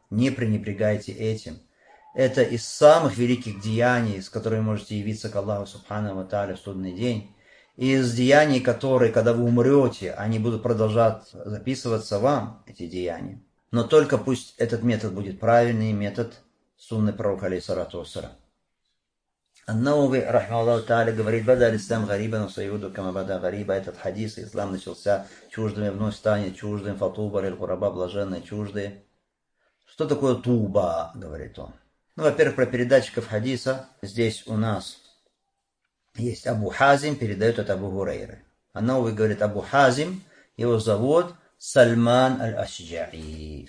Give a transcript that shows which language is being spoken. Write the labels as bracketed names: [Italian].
[Russian] Не пренебрегайте этим. Это из самых великих деяний, с которыми можете явиться к Аллаху Субхану ва Тааля в судный день. И из деяний, которые, когда вы умрете, они будут продолжать записываться вам, эти деяния. Но только пусть этот метод будет правильный метод сунны пророка алейхиссалату вассалям. [Arabic] النووي رحمه الله تعالى [Russian] говорит, [Arabic] بدأ الإسلام غريبا وسيعود كما بدأ غريبا. [Russian] Этот хадис, ислам начался чуждыми, вновь станет чуждым, фатуба, лиль-гураба, блаженные, чуждые. Что такое туба, говорит он? Ну, во-первых, про передатчиков хадиса. Здесь у нас есть Абу Хазим, передает от Абу Гурейры. Ан-Науви говорит, Абу Хазим, его зовут Сальман Аль-Ашджаи.